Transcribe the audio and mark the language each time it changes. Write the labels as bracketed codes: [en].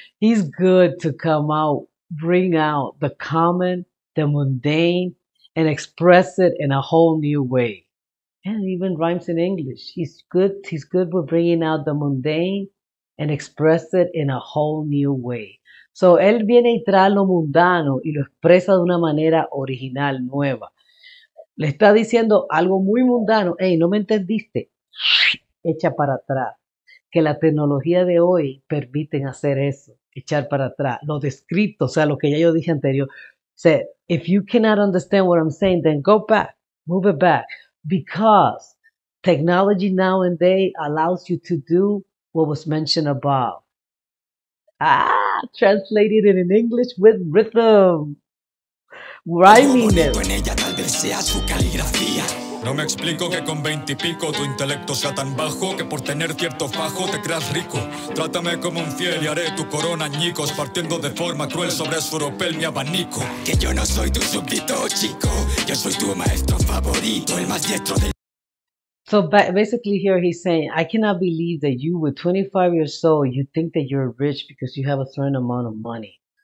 [en] He's good to come out, bring out the common, the mundane, and express it in a whole new way. And even rhymes in English. He's good. He's good with bringing out the mundane and express it in a whole new way. [es] So, él viene y trae lo mundano y lo expresa de una manera original, nueva. Le está diciendo algo muy mundano. Hey, ¿no me entendiste? Echa para atrás. Que la tecnología de hoy permiten hacer eso, echar para atrás, lo descrito, o sea, lo que ya yo dije anterior. [en] Said, if you cannot understand what I'm saying, then go back, move it back, because technology now and day allows you to do what was mentioned above. Ah, translated it in English with rhythm. Rhyming it. [es] No me explico que con 20 y pico tu intelecto sea tan bajo que por tener cierto fajo te creas rico. Trátame como un fiel y haré tu corona añicos, partiendo de forma cruel sobre su ropel mi abanico. Que yo no soy tu súbdito, chico, yo soy tu maestro favorito, el más diestro del... [en] So basically here he's saying, I cannot believe that you with 25 years old, you think that you're rich because you have a certain amount of money.